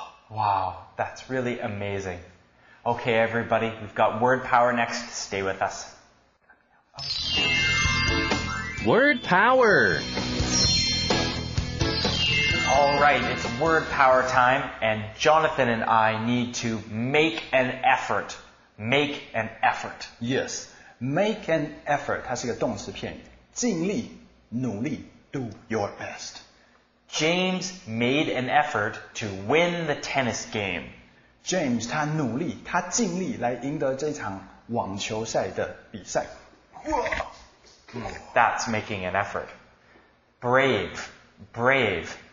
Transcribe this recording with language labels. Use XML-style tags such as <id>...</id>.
<en>Wow, that's really amazing. Okay, everybody, we've got Word Power next. Stay with us. Word Power. All right, it's Word Power time, and Jonathan and I need to make an effort. Make an effort. Yes, make an effort.</en> <zh>它是一个动词片语，尽力。</zh> <en>努力 do your best. James made an effort to win the tennis game.</en> <zh>James 他努力，他尽力来赢得这场网球赛的比赛。</zh> <en>That's making an effort. Brave, brave.</en>